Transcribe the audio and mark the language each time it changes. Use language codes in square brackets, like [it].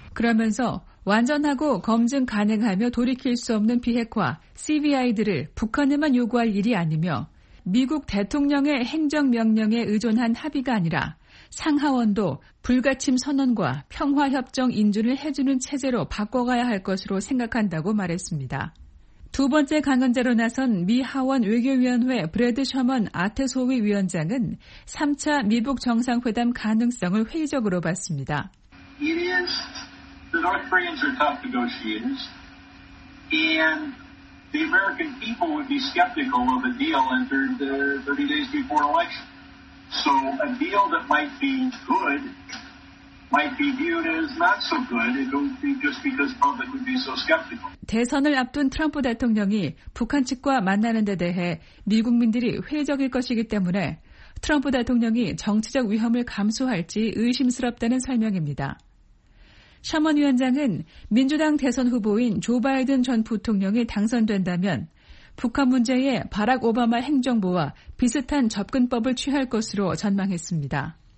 [ko] 그러면서 완전하고 검증 가능하며 돌이킬 수 없는 비핵화, CVI들을 북한에만 요구할 일이 아니며 미국 대통령의 행정명령에 의존한 합의가 아니라 상하원도 불가침 선언과 평화협정 인준을 해주는 체제로 바꿔가야 할 것으로 생각한다고 말했습니다. 두 번째 강연자로 나선 미 하원 외교위원회 브래드 셔먼 아테소위 위원장은 3차 미북 정상회담 가능성을 회의적으로 봤습니다. [en] It is the North Koreans are tough negotiators and the American people would be skeptical of a deal entered 30 days before election. So a deal that might be good might be viewed as not so good. It don't be just because public would be so skeptical. [ko] 대선을 앞둔 트럼프 대통령이 북한 측과 만나는 데 대해 미국민들이 회의적일 것이기 때문에 트럼프 대통령이 정치적 위험을 감수할지 의심스럽다는 설명입니다. 셔먼 위원장은 민주당 대선 후보인 조 바이든 전 부통령이 당선된다면 북한 문제에 바락 오바마 행정부와 비슷한 접근법을 취할 것으로 전망했습니다.